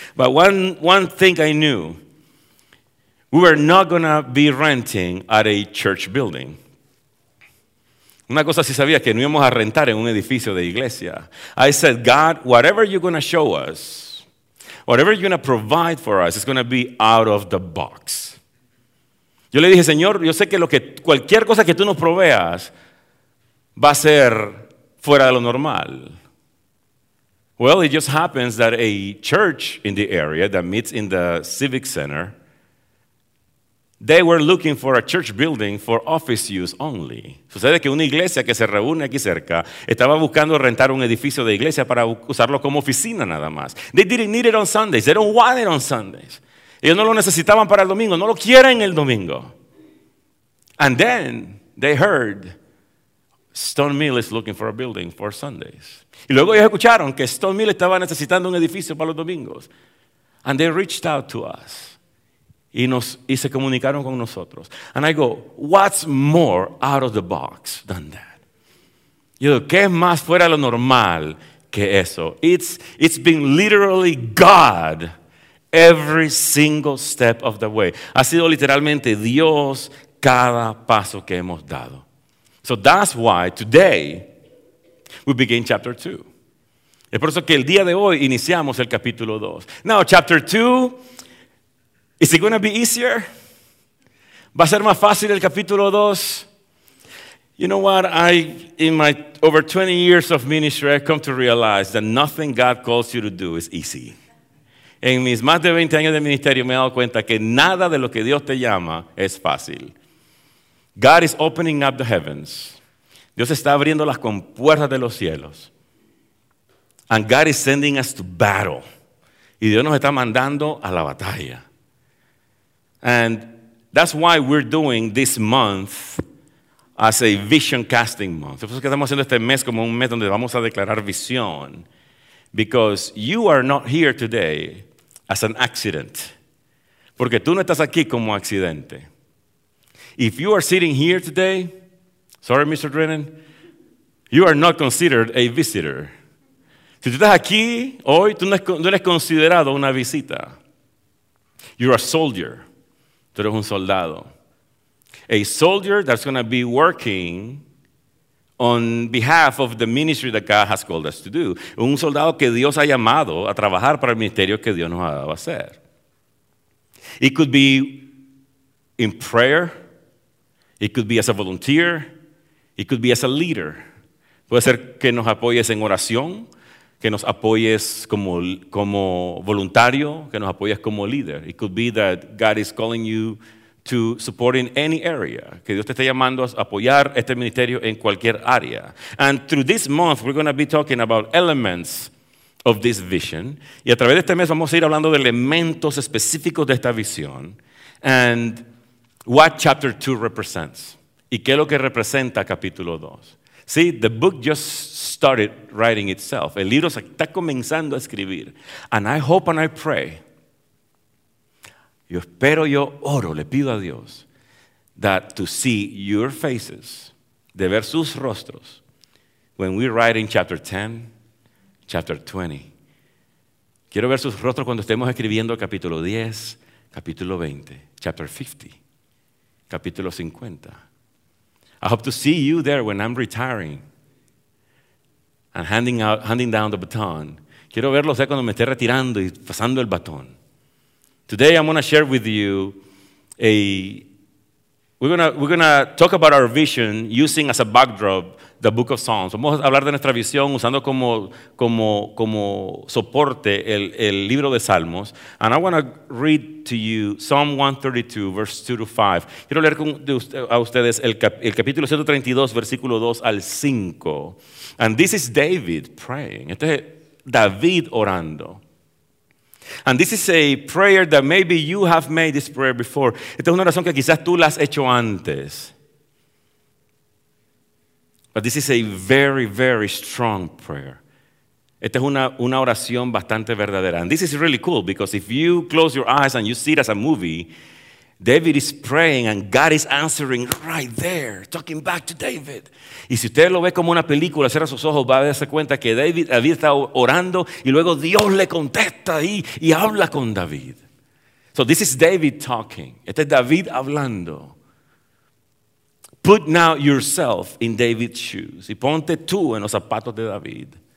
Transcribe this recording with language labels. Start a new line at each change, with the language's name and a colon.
English: But one thing I knew, we were not going to be renting at a church building.
Spanish: Una cosa sí sabía, que no íbamos a rentar en un edificio de iglesia.
English: I said, God, whatever you're going to show us, whatever you're going to provide for us, it's going to be out of the box.
Spanish: Yo le dije, Señor, yo sé que cualquier cosa que tú nos proveas va a ser... fuera de lo normal.
English: Well, it just happens that a church in the area that meets in the Civic Center They were looking for a church building for office use only.
Spanish: Sucede que una iglesia que se reúne aquí cerca estaba buscando rentar un edificio de iglesia para usarlo como oficina nada más.
English: They didn't need it on Sundays. They don't want it on Sundays.
Spanish: Ellos no lo necesitaban para el domingo. No lo quieren el domingo.
English: And then they heard Stone Mill is looking for a building for Sundays.
Spanish: Y luego ellos escucharon que Stone Mill estaba necesitando un edificio para los domingos.
English: And they reached out to us.
Spanish: Y se comunicaron con nosotros.
English: And I go, what's more out of the box than that?
Spanish: Yo digo, ¿qué es más fuera de lo normal que eso?
English: It's been literally God every single step of the way.
Spanish: Ha sido literalmente Dios cada paso que hemos dado.
English: So that's why today we begin chapter 2.
Spanish: Es por eso que el día de hoy iniciamos el capítulo 2.
English: Now chapter 2, is it going to be easier?
Spanish: ¿Va a ser más fácil el capítulo 2?
English: You know what? In my over 20 years of ministry, I've come to realize that nothing God calls you to do is easy.
Spanish: En mis más de 20 años de ministerio me he dado cuenta que nada de lo que Dios te llama es fácil.
English: God is opening up the heavens.
Spanish: Dios está abriendo las compuertas de los cielos.
English: And God is sending us to battle.
Spanish: Y Dios nos está mandando a la batalla.
English: And that's why we're doing this month as a vision casting month.
Spanish: Es por eso que estamos haciendo este mes como un mes donde vamos a declarar visión.
English: Because you are not here today as an accident.
Spanish: Porque tú no estás aquí como accidente.
English: If you are sitting here today, sorry, Mr. Drennan, you are not considered a visitor.
Spanish: Si tú estás aquí hoy, tú no eres considerado una visita.
English: You're a soldier.
Spanish: Tú eres un soldado.
English: A soldier that's going to be working on behalf of the ministry that God has called us to do.
Spanish: Un soldado que Dios ha llamado a trabajar para el ministerio que Dios nos ha dado a hacer.
English: It could be in prayer. It could be as a volunteer. It could be as a leader.
Spanish: Puede ser que nos apoyes en oración, que nos apoyes como voluntario, que nos apoyes como líder.
English: It could be that God is calling you to support in any area,
Spanish: que Dios te está llamando a apoyar este ministerio en cualquier área.
English: And through this month, we're going to be talking about elements of this vision.
Spanish: Y a través de este mes vamos a ir hablando de elementos específicos de esta visión.
English: And what chapter 2 represents.
Spanish: ¿Y qué es lo que representa capítulo 2?
English: See, the book just started writing itself.
Spanish: El libro está comenzando a escribir.
English: And I hope and I pray.
Spanish: Yo espero, yo oro, le pido a Dios
English: that to see your faces,
Spanish: de ver sus rostros,
English: when we write in chapter 10, chapter 20.
Spanish: Quiero ver sus rostros cuando estemos escribiendo capítulo 10, capítulo 20,
English: chapter 50.
Spanish: Capítulo 50.
English: I hope to see you there when I'm retiring and handing down the baton.
Spanish: Quiero verlos ahí cuando me esté retirando y pasando el batón.
English: Today I'm going to share with you we're going to talk about our vision using as a backdrop the book of Psalms.
Spanish: Vamos a hablar de nuestra visión usando como soporte el libro de Salmos.
English: And I want to read to you Psalm 132, verse 2 to 5.
Spanish: Quiero leer a ustedes el capítulo 132, versículo 2 al 5.
English: And this is David praying.
Spanish: Este es David orando.
English: And this is a prayer that maybe you have made this prayer before.
Spanish: Esta es una oración que quizás tú la has hecho antes.
English: But this is a very, very strong prayer.
Spanish: Esta es una oración bastante verdadera.
English: And this is really cool because if you close your eyes and you see it as a movie, David is praying and God is answering right there, talking back to David.
Spanish: Y si usted lo ve como una película, cierra sus ojos, va a darse cuenta que David está orando y luego Dios le contesta ahí y habla con David.
English: So this is David talking.
Spanish: Este es David hablando.
English: Put now yourself in David's shoes. Y ponte tú en los zapatos de David.